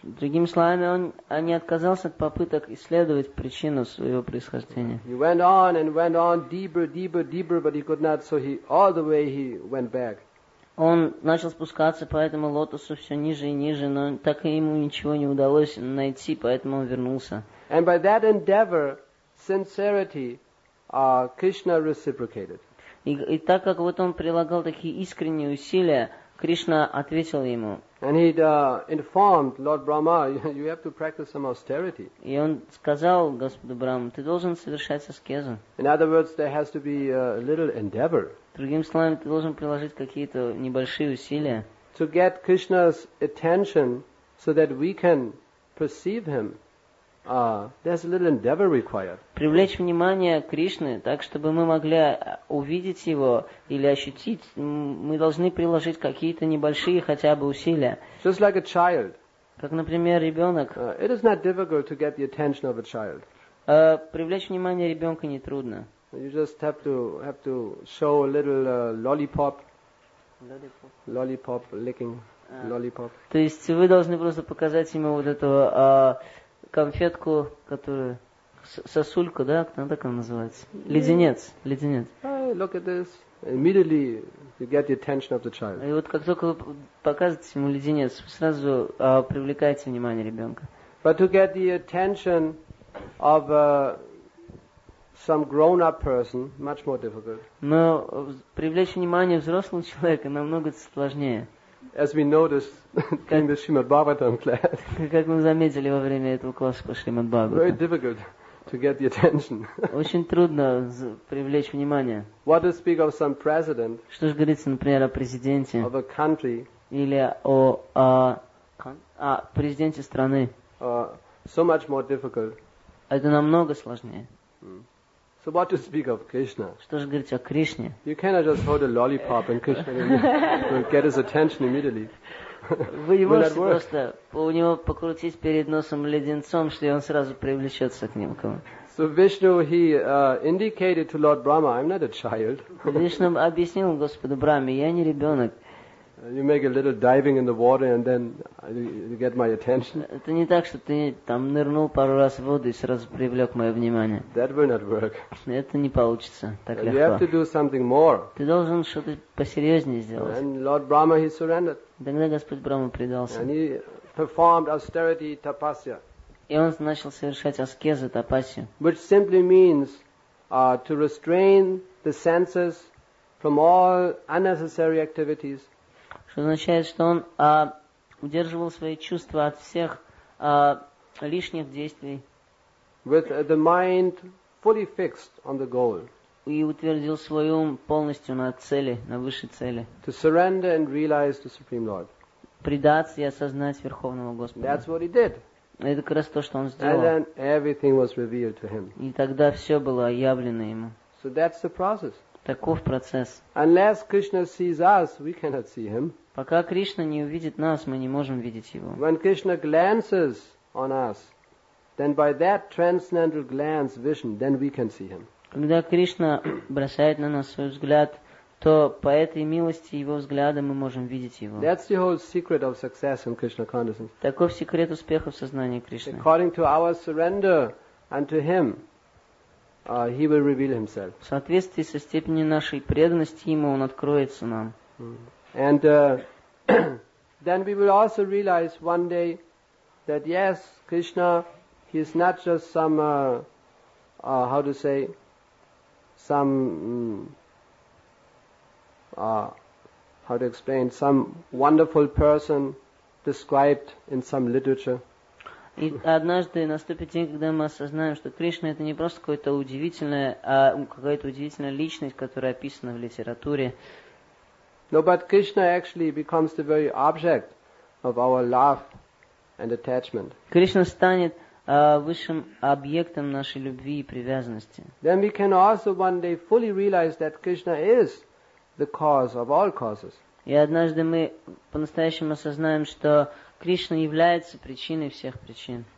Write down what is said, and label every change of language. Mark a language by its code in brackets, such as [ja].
[ru] Другими словами, он не отказался от попыток исследовать причину своего происхождения. [en] He went on and went on deeper, deeper, deeper, but he could not, so he all the way he went back. [ru] Он начал спускаться по этому лотосу все ниже и ниже, но так и ему ничего не удалось найти, поэтому он вернулся. [en] And by that endeavor, sincerity, Krishna reciprocated. [ru] И так как вот он прилагал такие искренние усилия, Кришна ответил ему. [en] And he informed Lord Brahma, you have to practice some austerity. [ru] И он сказал Господу Брахме, ты должен совершать аскезу. [en] In other words, there has to be a little endeavor. [ru] Другими словами, ты должен приложить какие-то небольшие усилия. [en] To get Krishna's attention so that we can perceive him, there's a little endeavor required. [ru] Привлечь внимание Кришны, так чтобы мы могли увидеть его или ощутить, мы должны приложить какие-то небольшие хотя бы усилия. [en] Just like a child. [ru] Как, например, ребенок. [en] It is not difficult to get the attention of a child. [ru] Привлечь внимание ребенка нетрудно. [en] You just have to show a little lollipop. Lollipop. Licking lollipop. [ru] То есть вы должны просто показать ему вот эту конфетку, которую сосулька, да, как она так называется? Леденец, леденец. [en] Look at this. Immediately you get the attention of the child. [ru] И вот как только вы показываете ему леденец, вы сразу привлекаете внимание ребенка. [en] But to get the attention of some grown-up person much more difficult. [ru] Но привлечь внимание взрослого человека намного сложнее. [en] As we noticed during the Srimad Bhagavatam class. [ru] Как мы заметили во время этого класса по Шримад Бхагаватам. [en] Very difficult to get the attention. [ru] Очень трудно привлечь внимание. [en] What to speak of some president? [ru] Что же говорится, например, о президенте? [en] Of a country. [ru] Или о президенте страны. [en] So much more difficult. [ru] Это намного сложнее. [en] So what to speak of Krishna? [ru] Что же говорить о Кришне? [en] You cannot just hold a lollipop and Krishna will get his attention immediately. [ru] Вы не можете просто у него покрутить перед носом леденцом, что он сразу привлечется к нему. [en] So Vishnu, he indicated to Lord Brahma, I'm not a child. [ru] Вишну объяснил Господу Брахме, я не ребенок. [en] You make a little diving in the water and then you get my attention. [ru] Это не так, что ты там нырнул пару раз в воду и сразу привлек мое внимание. [en] That will not work. [ru] Это не получится так легко. [en] You have to do something more. [ru] Ты должен что-то посерьезнее сделать. [en] And Lord Brahma, he surrendered. [ru] Тогда Господь Брахма предался. [en] And he performed austerity tapasya. [ru] И он начал совершать аскезу тапасию. [en] Which simply means to restrain the senses from all unnecessary activities. [ru] Что означает, что он удерживал свои чувства от всех лишних действий. [en] With the mind fully fixed on the goal. [ru] И утвердил свой ум полностью на цели, на высшей цели. [en] To surrender and realize the Supreme Lord. [ru] Предаться и осознать Верховного Господа. [en] That's what he did. [ru] Это как раз то, что он сделал. [en] And then everything was revealed to him. [ru] И тогда все было явлено ему. [en] So that's the process. [ru] Таков процесс. [en] Unless Krishna sees us, we cannot see him. [ru] Пока Кришна не увидит нас, мы не можем видеть его. [en] When Krishna glances on us, then by that transcendental glance, vision, then we can see him. [ru] Когда Кришна бросает на нас свой взгляд то по этой милости его взгляда мы можем видеть его. [en] That's the whole secret of success in Krishna consciousness. [ru] Таков секрет успеха в сознании Кришны. [en] According to our surrender unto him, he will reveal himself. [ru] В соответствии со степенью нашей преданности ему он откроется нам. [en] And then we will also realize one day that yes, Krishna, he is not just some some wonderful person described in some literature. [ru] И однажды наступит день, когда мы осознаем, что Кришна это не просто какое-то удивительное, а какая-то удивительная личность, которая описана в литературе. [en] No, but Krishna actually becomes the very object of our love and attachment. [ru] Кришна станет высшим объектом нашей любви и привязанности. [en] Then we can also one day fully realize that Krishna is the cause of all causes. [ru] И однажды мы по-настоящему осознаем, что Кришна является причиной всех причин.